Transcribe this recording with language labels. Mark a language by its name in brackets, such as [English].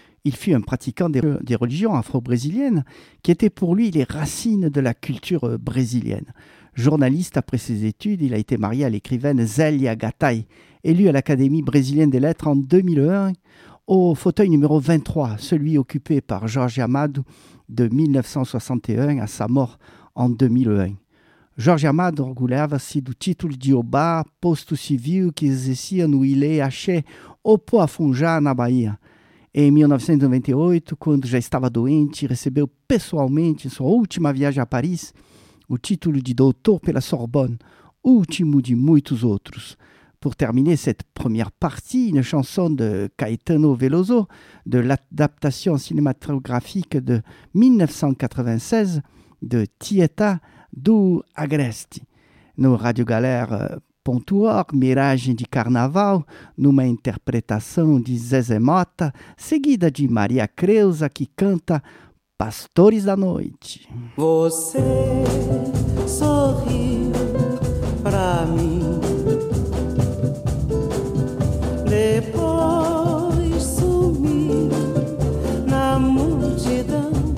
[French] Il fut un pratiquant des religions afro-brésiliennes qui étaient pour lui les racines de la culture brésilienne. Journaliste après ses études, il a été marié à l'écrivaine Zélia Gattai, élue à l'Académie brésilienne des lettres en 2001 au fauteuil numéro 23, celui occupé par Jorge Amado de 1961 à sa mort en 2001. [Portuguese] Jorge Amado orgulhava-se do título de Obá, posto civil que exercia no Ilê Axé, Opo Afunjá, na Bahia. Em 1998, quando já estava doente, recebeu pessoalmente, em sua última viagem a Paris, o título de doutor pela Sorbonne, último de muitos outros. [French] Pour terminer cette première partie, une chanson de Caetano Veloso, de l'adaptation cinématographique de 1996 de Tieta, do Agreste. [Portuguese] No radiogalera.org, Miragem de Carnaval, numa interpretação de Zezé Mota, seguida de Maria Creuza, que canta Pastores da Noite. Você sorriu pra mim, depois sumiu na multidão.